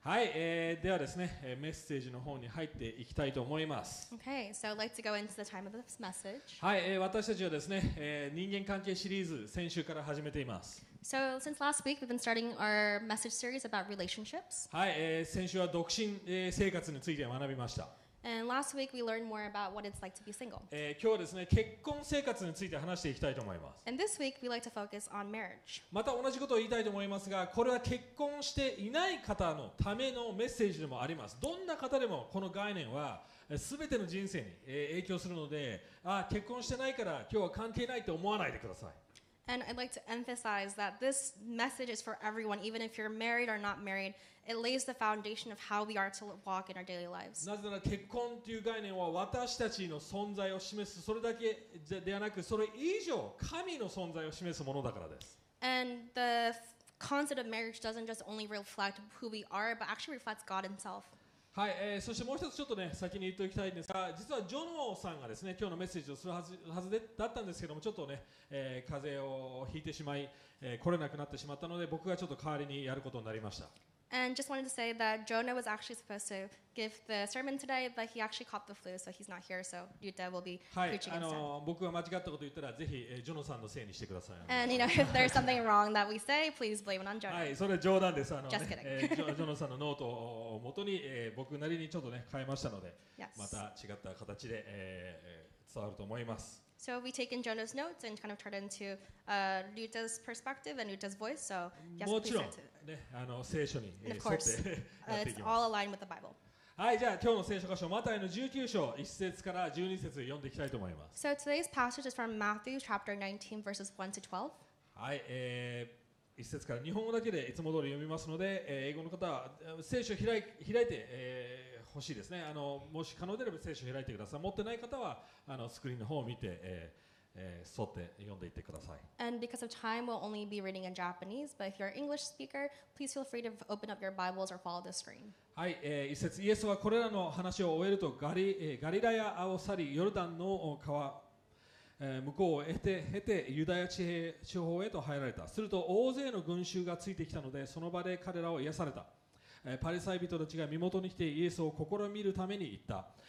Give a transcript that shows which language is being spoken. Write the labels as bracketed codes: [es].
[ja] はい、ではですね、メッセージの方に入っていきたいと思います。 [en] Okay, so I'd like to go into the time of this message. [ja] はい、私たちはですね、人間関係シリーズ先週から始めています。 [en] So since last week, we've been starting our message series about relationships. [ja] はい、先週は独身、生活について学びました。 [en] And last week we learned more about what it's like to be single. [ja] 今日はですね、結婚生活について話していきたいと思います。 [en] And this week we like to focus on marriage. [ja] また同じことを言いたいと思いますが、これは結婚していない方のためのメッセージでもあります。どんな方でもこの概念は全ての人生に影響するので、結婚してないから今日は関係ないと思わないでください。 [en] And I'd like to emphasize that this message is for everyone, even if you're married or not married. It lays the foundation of how we are to walk in our daily lives. [ja] なぜなら結婚という概念は私たちの存在を示す、それだけではなく、それ以上、神の存在を示すものだからです。 [en] And the concept of marriage doesn't just only reflect who we are, but actually reflects God Himself. [ja] はい、そしてもう一つちょっとね、先に言っておきたいんですが、実はジョノーさんがですね、今日のメッセージをするはずでだったんですけども、ちょっとね、風邪をひいてしまい、来れなくなってしまったので、僕がちょっと代わりにやることになりました。 [en] And just wanted to say that Jonah was actually supposed to give the sermon today, but he actually caught the flu, so he's not here. So Yuta will be preaching instead. [ja] はい、僕が間違ったこと言ったら、ぜひジョノさんのせいにしてください。 [en] And you know, if there's something wrong that we say, please blame it on Jonah. [ja] はい、それ冗談です。 [en] Just kidding. [ja] ジョノさんのノートを元に、僕なりにちょっとね変えましたので、 [en] yes. [ja] また違った形で、伝わると思います。 [en] So we take in Jonah's notes and kind of turn it into Ryuta's perspective and Ryuta's voice. So yes, [ja] もちろんね、聖書に沿ってやっていきます。 [en] It's all aligned with the Bible. [ja] はい、じゃあ今日の聖書箇所、マタイの19章1節から12節読んでいきたいと思います。 [en] So today's passage is from Matthew chapter 19 verses 1 to 12. [ja] はい、1節から日本語だけでいつも通り読みますので、英語の方は聖書開いて。欲しいですね。もし可能であれば聖書を開いてください。持ってない方はスクリーンの方を見て、沿って読んでいってください。 [en] And because of time, we'll only be reading in Japanese. But if you're an English speaker, please feel free to open up your Bibles or follow the screen. [ja] はい、一節、イエスはこれらの話を終えるとガリラヤを去り、ヨルダンの川、向こうを経てユダヤ地方へと入られた。すると大勢の群衆がついてきたので、その場で彼らを癒された。パリサイ人たちが身元に来てイエスを試みるために言った。